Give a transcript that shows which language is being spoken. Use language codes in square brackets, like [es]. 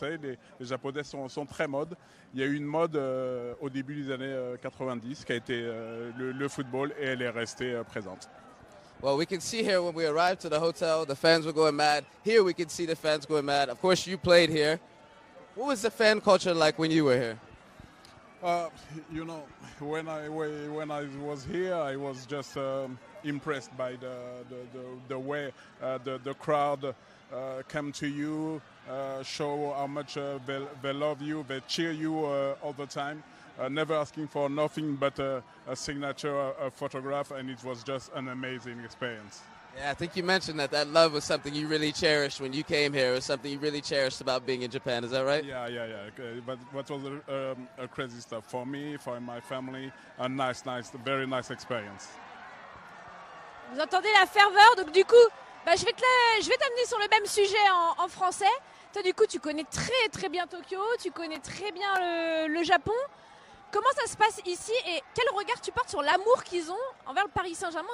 [fr] Vous savez, les Japonais sont très mode. Il y a eu une mode au début des années 90 qui a été le football et elle est restée présente. [en] Well, we can see here when we arrived to the hotel, the fans were going mad. Here we can see the fans going mad. Of course, you played here. What was the fan culture like when you were here? You know, when I was here, I was just impressed by the way the crowd came to you, show how much they love you, they cheer you all the time. Never asking for nothing but a signature, a photograph, and it was just an amazing experience. Yeah, I think you mentioned that love was something you really cherished when you came here. It was something you really cherished about being in Japan, is that right? Yeah. Okay. But what was a crazy stuff for me, for my family, a nice, very nice experience. [fr] Vous entendez la ferveur, donc du coup, bah, je vais t'amener sur le même sujet en français. Toi, du coup, tu connais très très bien Tokyo, tu connais très bien le Japon. Comment ça se passe ici et quel regard tu portes sur l'amour qu'ils ont envers le Paris Saint-Germain?